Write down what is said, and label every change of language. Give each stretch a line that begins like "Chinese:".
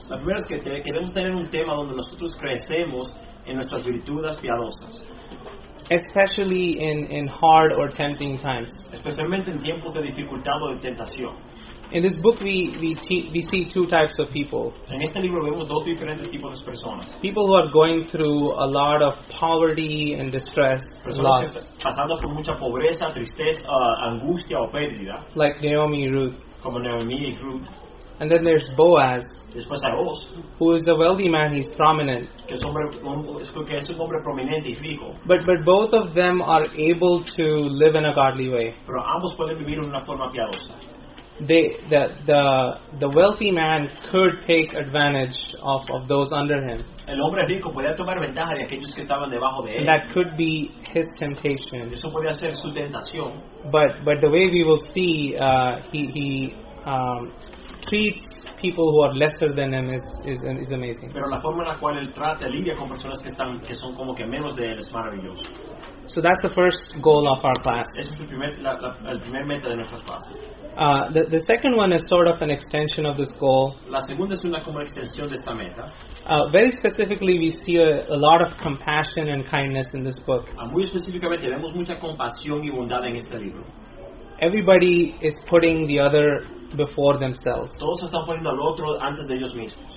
Spanish: La primera es que queremos tener un tema donde nosotros crecemos en nuestras virtudes piadosas.
English: Especially in hard or tempting times.
Spanish: Especialmente en tiempos de dificultad o de tentación.
English: In this book we see two types of people.
Spanish: En este libro vemos dos diferentes tipos de personas.
English: People who are going through a lot of poverty and distress, loss.
Spanish: Pasando por mucha pobreza, tristeza, angustia o pérdida.
English: Like Naomi Ruth.
Spanish: Como Naomi y Ruth.
English: And then there's Boaz.
Spanish: Después hay Boaz.
English: Who is the wealthy man, he's prominent.
Spanish: Que es un hombre prominente y rico.
English: But both of them are able to live in a godly way.
Spanish: Pero ambos pueden vivir en una forma piadosa.
English: The wealthy man could take advantage of those under him.
Spanish: El hombre rico podía tomar ventaja de aquellos que estaban debajo de él.
English: And that could be his temptation.
Spanish: Eso podía ser su tentación.
English: But the way we will see, he treats people who are lesser than him is amazing.
Spanish: Pero la forma en la cual él trata lidia con personas que son como que menos de él es maravilloso.
English: So that's the first goal of our class.
Spanish: Es el primer meta de nuestras clases.
English: The second one is sort of an extension of this goal.
Spanish: La segunda es una como extensión de esta meta.
English: Very specifically, we see a lot of compassion and kindness in this book.
Spanish: Muy específicamente vemos mucha compasión y bondad en este libro.
English: Everybody is putting the other before themselves.
Spanish: Todos están poniendo al otro antes de ellos mismos.